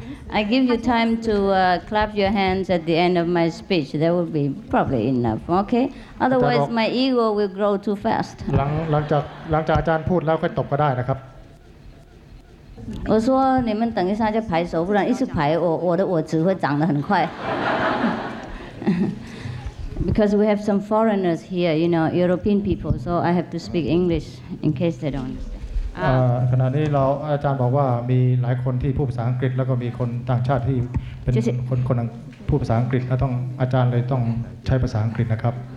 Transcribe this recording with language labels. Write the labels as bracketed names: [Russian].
[English] I give you time to clap your hands at the end of my speech. That will be probably enough. Okay. Otherwise, my ego will grow too fast. [Thai] หลังจากอาจารย์พูดแล้วค่อยตบก็ได้นะครับ [Chinese] 我说你们等一下就拍手，不然一直拍我指会长得很快。 [English] Because we have some foreigners here, you know, European people, so I have to speak English in case they don't understand. [Thai] ขณะนี้เราอาจารย์บอกว่ามีหลายคนที่พูดภาษาอังกฤษแล้วก็มีคนต่างชาติที่เป็นคนพูดภาษาอังกฤษก็ต้องอาจารย์เลยต้องใช้ภาษาอังกฤษนะครับ